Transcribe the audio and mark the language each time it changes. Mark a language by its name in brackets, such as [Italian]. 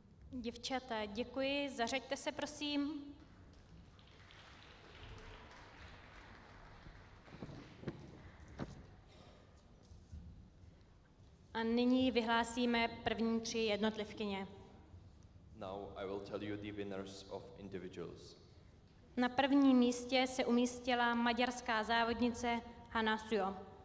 [Czech] Děvčata, děkuji. Zařaďte se, prosím. A nyní vyhlásíme první tři jednotlivkyně. [English] Now I will tell you the winners of individuals. [Czech] Na prvním místě se umístila maďarská závodnice Hana Sujo.